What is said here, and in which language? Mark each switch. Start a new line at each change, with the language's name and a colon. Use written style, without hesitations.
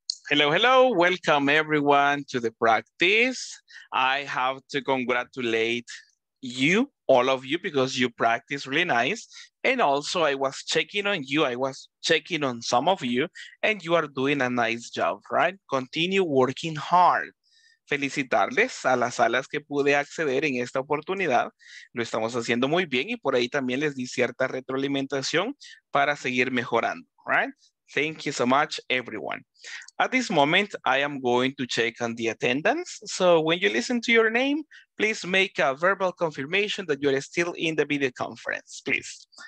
English: Hello, hello. Welcome everyone to the practice. I have to congratulate you, all of you, because you practice really nice. And also I was checking on you. I was checking on some of you and you are doing a nice job, right? Continue working hard.
Spanish: Felicitarles a las salas que pude acceder en esta oportunidad. Lo estamos haciendo muy bien y por ahí también les di cierta retroalimentación para seguir mejorando, right?
English: Thank you so much, everyone. At this moment, I am going to check on the attendance. So when you listen to your name, please make a verbal confirmation that you are still in the video conference, please.